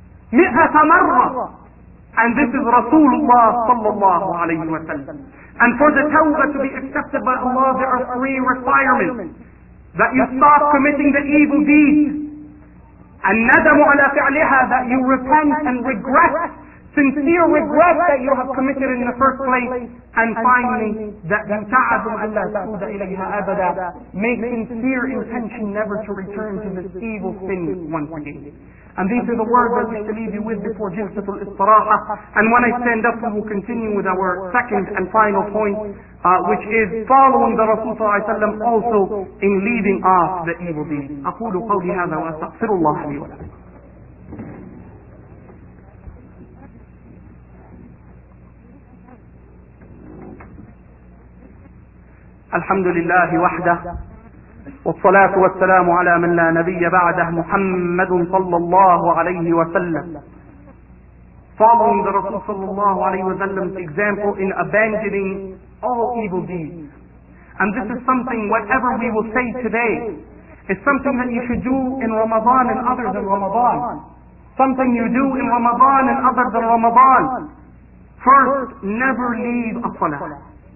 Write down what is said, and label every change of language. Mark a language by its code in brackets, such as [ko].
[ar] مِئَةَ مَرَّةٍ. [en] And this is Rasulullah sallallahu alayhi wa sallam. And for the tawbah to be accepted by Allah, there are three requirements. That you stop committing the evil deeds. [ar] النَّدَمُ عَلَى فِعْلِهَا. [en] That you repent and regret. Sincere regret that you have committed in the first place. And finally, that [ar] تَعَذُمْ أَلَّا تَعُودَ إِلَيْهَا أَبَدًا. [en] Make sincere intention never to return to this evil sin once again. And these are the words that we leave you with before Jilsatul Istiraha. And when I stand up, we will continue with our second and final point, which is following the Rasul صلى الله عليه وسلم also in leaving off the evil deeds. [ar] أَقُولُ قَوْلِ هَذَا وَأَسْتَغْفِرُ اللَّهَ لِي وَلَكُمْ. الحمد لله وحده, والصلاة والسلام على من لا نبي بعده, محمد صلى الله عليه وسلم. [en] Following the Rasul صلى الله عليه وسلم's example in abandoning all evil deeds. And this is something whatever we will say today is something that you should do in Ramadan and other than Ramadan. Something you do in Ramadan and other than Ramadan. First, never leave a salah.